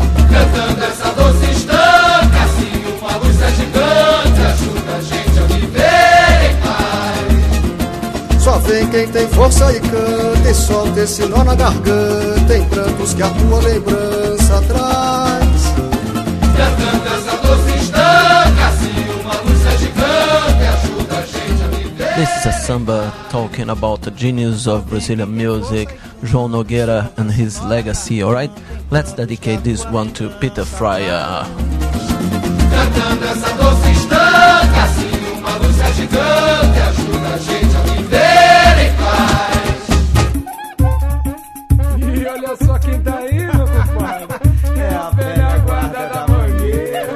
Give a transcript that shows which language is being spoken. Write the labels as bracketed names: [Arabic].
[Portuguese] Cantando essa doce estanca, assim uma luz é gigante, ajuda a gente a viver em paz. Só vem quem tem força e canta, e solta esse nó na garganta, em prantos que a tua lembrança traz. Cantando essa doce estanca, assim uma luz é gigante, ajuda a gente. [English] This is a samba talking about the genius of Brazilian music, João Nogueira and his legacy, alright? Let's dedicate this one to Peter Fryer. [Portuguese] Cantando essa doce estanca, assim uma luz é gigante, ajuda a gente a viver em paz. E olha só quem tá aí, meu compadre. É a velha guarda da mangueira.